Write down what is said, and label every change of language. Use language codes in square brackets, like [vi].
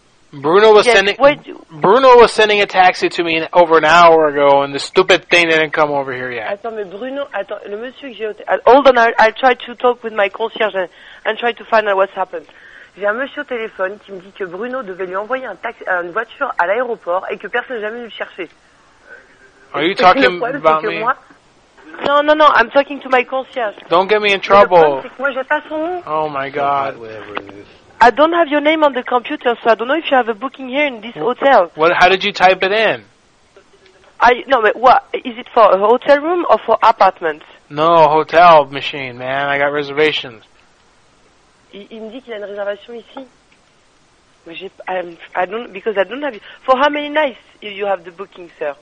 [en] Bruno was sending a taxi to me over an hour ago, and the stupid thing didn't come over here yet. [fr] Attends, mais Bruno, attends, le monsieur que j'ai... [en] Hold on, I'll try to talk with my concierge and try to find out what's happened. [fr] J'ai un monsieur au téléphone qui me dit que Bruno devait lui envoyer une voiture à l'aéroport et que personne n'a jamais venu le chercher. [en] Are you talking about me? Non, I'm talking to my concierge. Don't get me in trouble. [fr] Le problème, c'est que moi, j'ai pas son nom. [en] Oh my God. I don't have your name on the computer, so I don't know if you have a booking here in this hotel. Well, how did you type it in? Is it for a hotel room or for apartments? No, hotel machine, man. I got reservations. [fr] Il me dit qu'il a une réservation ici. [en] Mais I don't have you. For how many nights you have the booking, sir?